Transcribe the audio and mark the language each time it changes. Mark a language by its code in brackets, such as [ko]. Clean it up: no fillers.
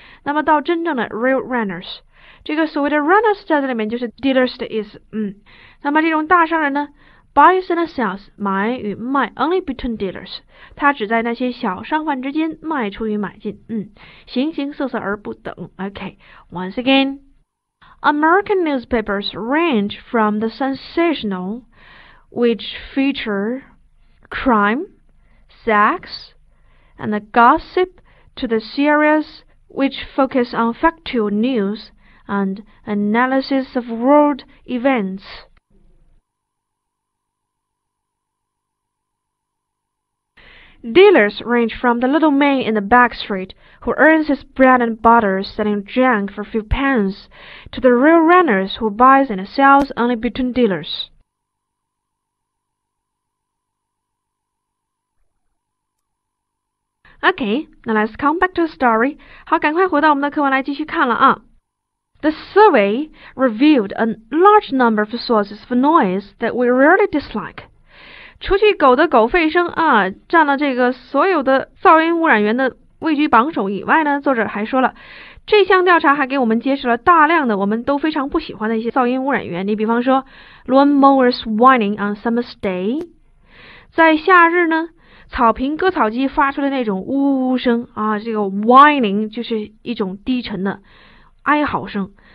[zh] 那么到真正的 real runners，这个所谓的 runners 在这里面就是 dealers 的意思。那么这种大商人呢？ Buys and sells，买与卖 ， only between dealers，它只在那些小商贩之间卖出与买进，形形色色而不等。 [en] OK，once again，American newspapers range from the sensational， which feature crime， sex， and the gossip， to the serious， which focus on factual news and analysis of world events。 Dealers range from the little man in the back street who earns his bread and butter selling junk for a few pence to the real runners who buys and sells only between dealers. Okay, now let's come back to the story. [zh] 好，赶快回到我们的课文来继续看了啊。 [en] The survey revealed a large number of sources for noise that we really dislike. [zh] 除去狗的狗吠声啊，占了这个所有的噪音污染源的位居榜首以外呢，作者还说了，这项调查还给我们揭示了大量的我们都非常不喜欢的一些噪音污染源。你比方说 ， lawn mowers whining on summer's day，在夏日呢，草坪割草机发出的那种呜呜声啊，这个 whining 就是一种低沉的哀嚎声。